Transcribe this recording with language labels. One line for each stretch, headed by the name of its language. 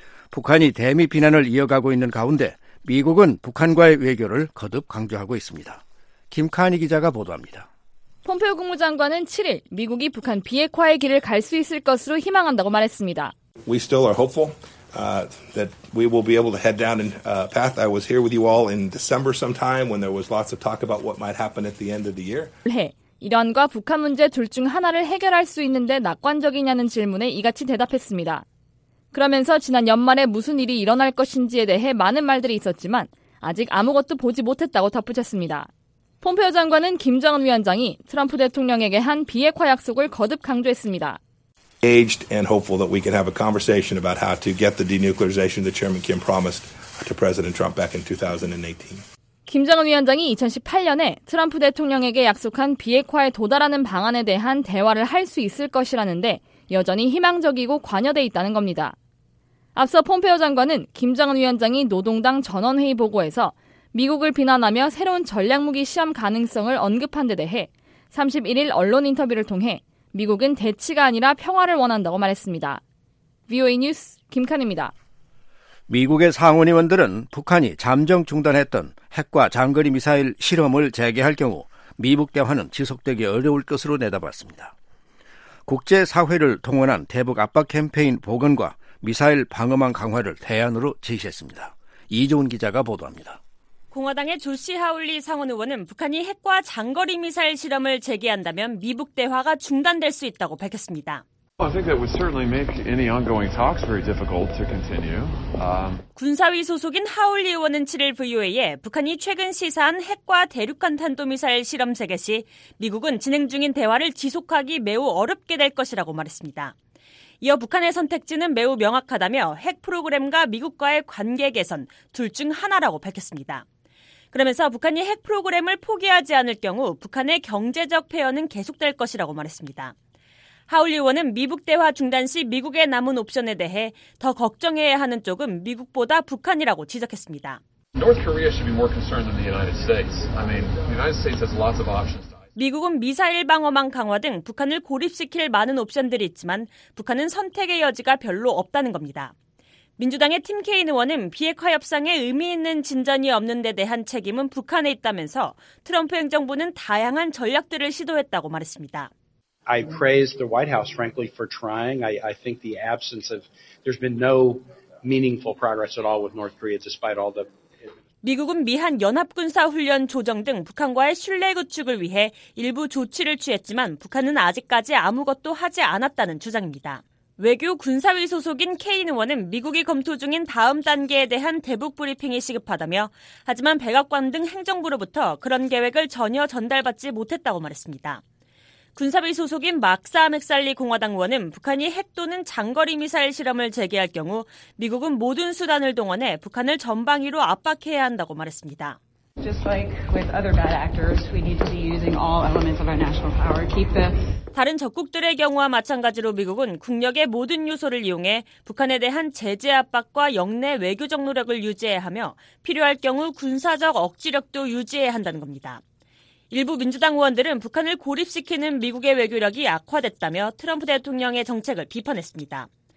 Korean: 북한이 대미 비난을 이어가고 있는 가운데 미국은 북한과의 외교를 거듭 강조하고 있습니다. 김카니 기자가 보도합니다. 폼페오 국무장관은 7일 미국이 북한 비핵화의 길을 갈 수 있을 것으로 희망한다고 말했습니다.
English: We still are hopeful that we will be able to head down a path. I was here with you all in December sometime when there was lots of talk about what might happen at the end of the year.
Korean: 이란과 북한 문제 둘 중 하나를 해결할 수 있는데 낙관적이냐는 질문에 이같이 대답했습니다. 그러면서 지난 연말에 무슨 일이 일어날 것인지에 대해 많은 말들이 있었지만 아직 아무것도 보지 못했다고 덧붙였습니다. 폼페오 장관은 김정은 위원장이 트럼프 대통령에게 한 비핵화 약속을 거듭 강조했습니다.
English: Aged and hopeful that we can have a conversation about how to get the denuclearization that Chairman Kim promised to President Trump back in 2018.
Korean: 김정은 위원장이 2018년에 트럼프 대통령에게 약속한 비핵화에 도달하는 방안에 대한 대화를 할 수 있을 것이라는데 여전히 희망적이고 관여돼 있다는 겁니다. 앞서 폼페오 장관은 김정은 위원장이 노동당 전원회의 보고에서 미국을 비난하며 새로운 전략무기 시험 가능성을 언급한 데 대해 31일 언론 인터뷰를 통해 미국은 대치가 아니라 평화를 원한다고 말했습니다. VOA 뉴스 김칸입니다. 미국의 상원의원들은 북한이 잠정 중단했던 핵과 장거리 미사일 실험을 재개할 경우 미북 대화는 지속되기 어려울 것으로 내다봤습니다. 국제사회를 동원한 대북 압박 캠페인 복원과 미사일 방어망 강화를 대안으로 제시했습니다. 이종훈 기자가 보도합니다. 공화당의 조시 하울리 상원의원은 북한이 핵과 장거리 미사일 실험을 재개한다면 미북 대화가 중단될 수 있다고 밝혔습니다.
English: I think that would certainly make any ongoing talks very difficult to continue.
Korean: 군사위 소속인 하울리 의원은 7일 VOA에 북한이 최근 시사한 핵과 대륙간 탄도미사일 실험 재개 시 미국은 진행 중인 대화를 지속하기 매우 어렵게 될 것이라고 말했습니다. 이어 북한의 선택지는 매우 명확하다며 핵 프로그램과 미국과의 관계 개선 둘 중 하나라고 밝혔습니다. 그러면서 북한이 핵 프로그램을 포기하지 않을 경우 북한의 경제적 폐허는 계속될 것이라고 말했습니다. 하울리 의원은 미북 대화 중단 시 미국에 남은 옵션에 대해 더 걱정해야 하는 쪽은 미국보다 북한이라고 지적했습니다.
English: North Korea should be more concerned than the United States. I mean, the United States has lots of options.
Korean: 미국은 미사일 방어망 강화 등 북한을 고립시킬 많은 옵션들이 있지만 북한은 선택의 여지가 별로 없다는 겁니다. 민주당의 팀 케인 의원은 비핵화 협상에 의미 있는 진전이 없는 데 대한 책임은 북한에 있다면서 트럼프 행정부는 다양한 전략들을 시도했다고 말했습니다.
English: I praise the White House, frankly, for trying. I think the absence of there's been no meaningful progress at all with North Korea, despite all the.
Korean: 미국은 미한 연합군사 훈련 조정 등 북한과의 신뢰 구축을 위해 일부 조치를 취했지만 북한은 아직까지 아무것도 하지 않았다는 주장입니다. 외교 군사위 소속인 케인 의원은 미국이 검토 중인 다음 단계에 대한 대북 브리핑이 시급하다며 하지만 백악관 등 행정부로부터 그런 계획을 전혀 전달받지 못했다고 말했습니다. 군사비 소속인 막사 맥살리 공화당 의원은 북한이 핵 또는 장거리 미사일 실험을 재개할 경우 미국은 모든 수단을 동원해 북한을 전방위로 압박해야 한다고 말했습니다.
English: Just like with other bad actors, we need to be using all elements of our national power. Keep the
Korean: 다른 적국들의 경우와 마찬가지로 미국은 국력의 모든 요소를 이용해 북한에 대한 제재 압박과 역내 외교적 노력을 유지해야 하며 필요할 경우 군사적 억지력도 유지해야 한다는 겁니다. 일부 민주당 의원들은 북한을 고립시키는 미국의 외교력이 악화됐다며 트럼프 대통령의 정책을 비판했습니다.